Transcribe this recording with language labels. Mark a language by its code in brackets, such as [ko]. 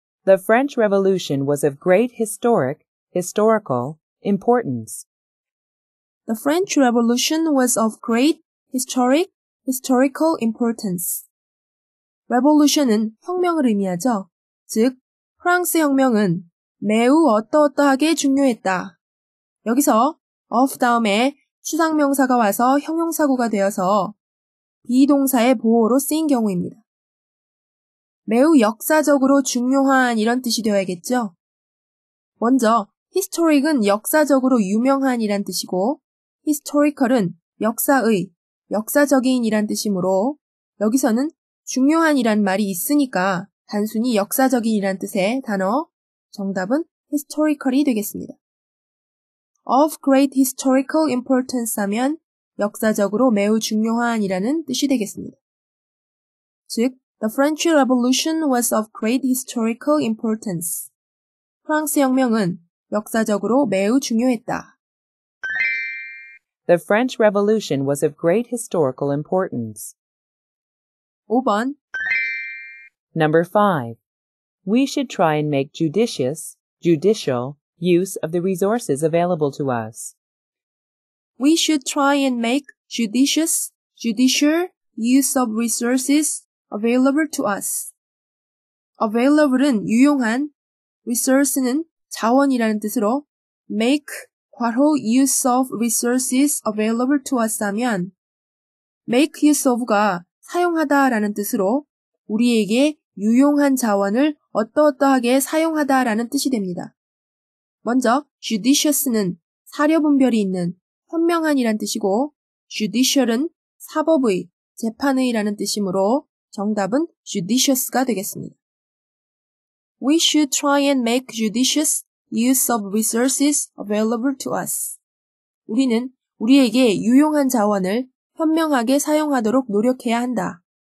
[en] The French Revolution was of great historical importance. The French Revolution was of great historical importance. [ko] Revolution은 혁명을 의미하죠. 즉, 프랑스 혁명은 매우 어떠어떠하게 중요했다. 여기서 of 다음에 추상명사가 와서 형용사구가 되어서 비동사의 보호로 쓰인 경우입니다. 매우 역사적으로 중요한 이런 뜻이 되어야겠죠. 먼저, historic은 역사적으로 유명한 이란 뜻이고 historical은 역사의, 역사적인 이란 뜻이므로 여기서는 중요한이란 말이 있으니까 단순히 역사적인이란 뜻의 단어 정답은 historical이 되겠습니다. [en] Of great historical importance [ko] 하면 역사적으로 매우 중요한이라는 뜻이 되겠습니다. [en] 즉, The French Revolution was of great historical importance. [ko] 프랑스 혁명은 역사적으로 매우 중요했다. [en] The French Revolution was of great historical importance. [ko] 5번 [en] Number 5. We should try and make judicial use of the resources available to us. We should try and make judicial use of resources available to us. [ko] Available은 유용한, resource는 자원이라는 뜻으로 [en] make use of resources available to us [ko] 하면 [en] make use of [ko] 가 사용하다라는 뜻으로 우리에게 유용한 자원을 어떠어떠하게 사용하다라는 뜻이 됩니다. 먼저 judicious는 사려 분별이 있는 현명한이란 뜻이고 judicial은 사법의, 재판의라는 뜻이므로 정답은 judicious가 되겠습니다. [en] We should try and make judicious use of resources available to us. [ko] 우리는 우리에게 유용한 자원을 현명하게 사용하도록 노력해야 한다.